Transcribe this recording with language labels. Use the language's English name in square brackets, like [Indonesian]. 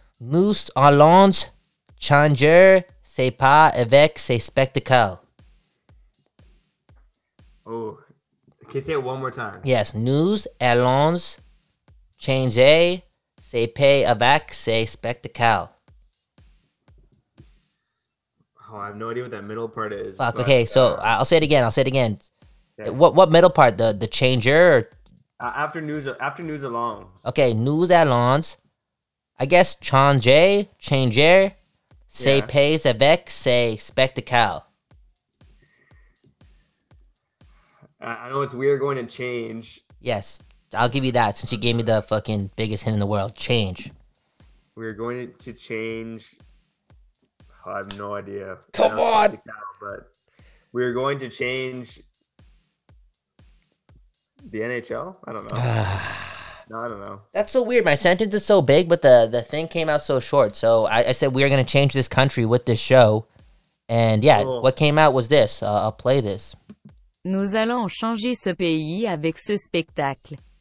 [French] Nous allons changer ses pas avec ses spectacles. [English] Oh, can you say it one more time? [French] Yes, nous allons changer ses pas avec ses spectacles. [English] Oh, I have no idea what that middle part is. Fuck. Okay, so I'll say it again. Okay. What middle part? The changer. After news alone. Okay, news allons. I guess changer, say yeah. [French] Pays avec, say spectacle. [English] I know it's weird going to change. Yes, I'll give you that since you gave me the fucking biggest hint in the world. Change. We're going to change. Oh, I have no idea. Come on! But we're going to change. The NHL? I don't know. No, I don't know. That's so weird. My sentence is so big, but the thing came out so short. So I said we are going to change this country with this show. And yeah, cool. What came out was this. I'll play this. [French] Nous allons changer ce pays avec ce spectacle.